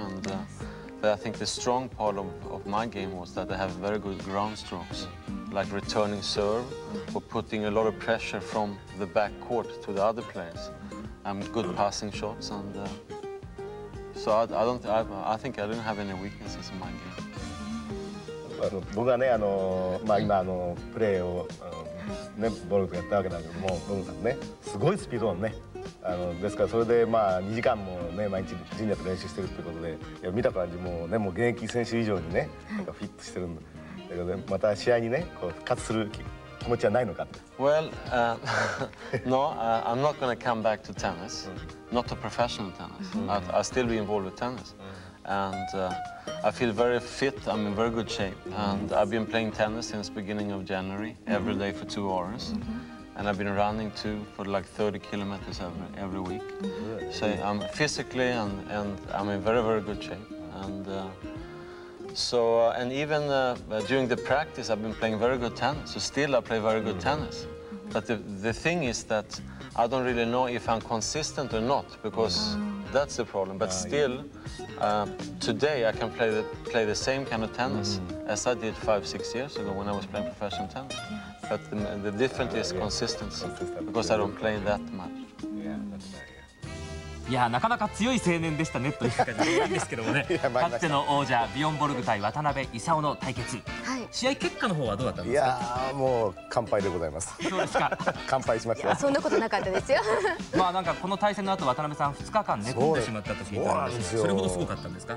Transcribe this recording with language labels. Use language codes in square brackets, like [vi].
[en] And,、But I think the strong part of my game was that I have very good ground strokes, like returning serve or putting a lot of pressure from the back court to the other players. And good passing shots. And、so I think I didn't have any weaknesses in my game. [ja] 僕はね、まあ、今プレーを、ね、ボルグとやったわけだけども、ボルグさんね、すごいスピードなのね。ですからそれでまあ2時間もね毎日神社と練習してるってことで見た感じもうねもう現役選手以上にねなんかフィットしてるんだけどまた試合にねこう復活する気持ちはないのかって [en] Well, no, I'm not going to come back to tennis, not to professional tennis. I still be involved with tennis. And、I feel very fit, I'm in very good shape. And I've been playing tennis since beginning of January, every day for 2 hours. And I've been running too for like 30 kilometers every week. So I'm physically and I'm in very, very good shape. And even during the practice, I've been playing very good tennis. So still I play very good tennis. But the thing is that I don't really know if I'm consistent or not because that's the problem. But still, today I can play the same kind of tennis as I did 5-6 years ago when I was playing professional tennis. But the difference is consistency, because I don't play that much. [ja] いやなかなか強い青年でしたねという感じなんですけどもね。かつての王者ビヨンボルグ対渡辺勲の対決、はい。試合結果の方はどうだったんですか。いやもう完敗でございます。そうですか。完敗しました。そんなことなかったですよ。まあなんかこの対戦の後渡辺さん2日間寝込んでしまったと聞いたんですけど、それほどすごかったんですか。